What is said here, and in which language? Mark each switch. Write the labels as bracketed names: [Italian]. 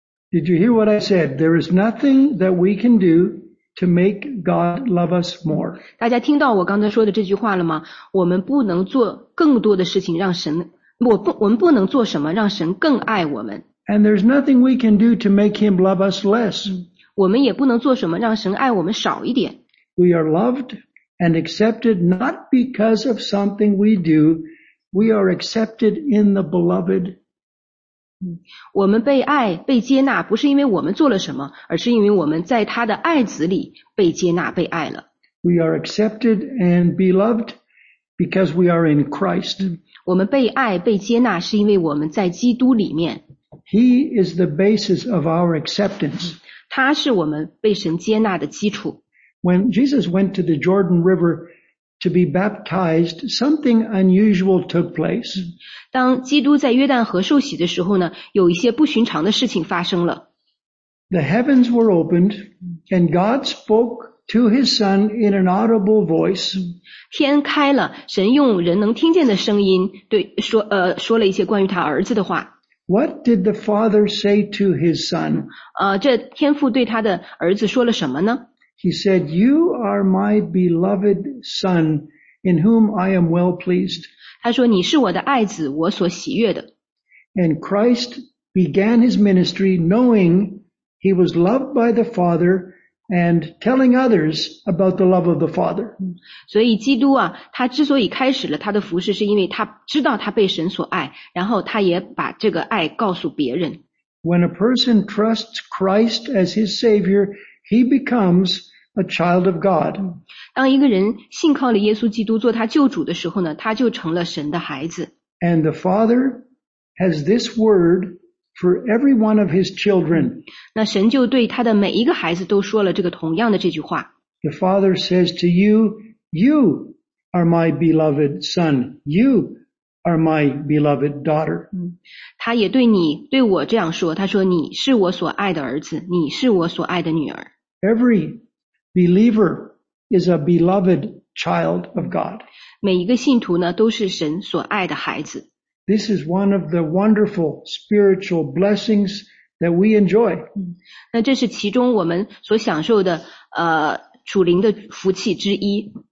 [English] Did you hear what I said? There is nothing that we can do to make God love us more. [Chinese] 大家听到我刚才说的这句话了吗？我们不能做更多的事情让神，我们不能做什么让神更爱我们。 [English] And there's nothing we can do to make him love us less. [Chinese] 我们也不能做什么让神爱我们少一点。 [English] We are lovedand accepted not because of something we do, we are accepted in the beloved. [Chinese] 我们被爱被接纳不是因为我们做了什么而是因为我们在他的爱子里被接纳被爱了。 [English] We are accepted and beloved because we are in Christ. [Chinese] 我们被爱被接纳是因为我们在基督里面。 [English] He is the basis of our acceptance. [Chinese] 他是我们被神接纳的基础。 [English] When Jesus went to the Jordan River to be baptized, something unusual took place. [Chinese] 当基督在约旦河受洗的时候呢，有一些不寻常的事情发生了。 [English] The heavens were opened, and God spoke to his son in an audible voice. [Chinese] 天开了，神用人能听见的声音对说说了一些关于他儿子的话。 [English] What did the father say to his son? [Chinese] 这天父对他的儿子说了什么呢？ [English] He said, "You are my beloved son, in whom I am well pleased." [Chinese] 他说你是我的爱子，我所喜悦的。 [English] And Christ began his ministry knowing he was loved by the Father and telling others about the love of the Father. [Chinese] 所以基督啊，他之所以开始了他的服事，是因为他知道他被神所爱，然后他也把这个爱告诉别人。 [English] When a person trusts Christ as his Savior, He becomes a child of God. [Chinese] 当一个人信靠了耶稣基督做他救主的时候呢，他就成了神的孩子。 [English] And the Father has this word for every one of his children. [Chinese] 那神就对他的每一个孩子都说了这个同样的这句话。 [English] The Father says to you, You are my beloved son. You are my beloved daughter. [Chinese] 他也对你对我这样说，他说你是我所爱的儿子，你是我所爱的女儿。 [English] Every believer is a beloved child of God. [Chinese] 每一个信徒呢，都是神所爱的孩子。 [English] This is one of the wonderful spiritual blessings that we enjoy. [Chinese] 那这是其中我们所享受的属灵的福气之一。